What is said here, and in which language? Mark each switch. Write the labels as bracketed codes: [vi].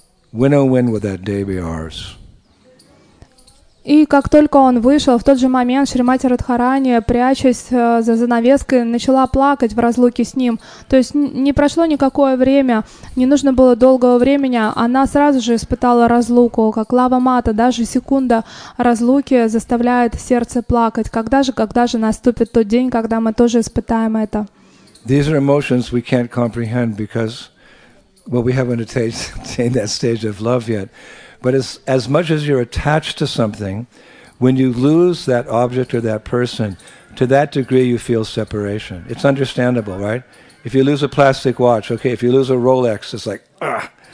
[en] When oh when will that day be ours? [ru] И как только он вышел, в тот же момент Шримати Радхарани, прячась за занавеской, начала плакать в разлуке с ним. То есть не прошло никакое время, не нужно было долгого времени, она сразу же испытала разлуку, как лава мата, даже секунда разлуки заставляет сердце плакать. Когда же наступит тот день, когда мы тоже испытаем это? [en] These are emotions we can't comprehend because, well, we haven't attained that stage of love yet. But as much as you're attached to something, When you lose that object or that person, to that degree you feel separation. It's understandable, right? If you lose a plastic watch, okay, if you lose a Rolex, it's like, ugh.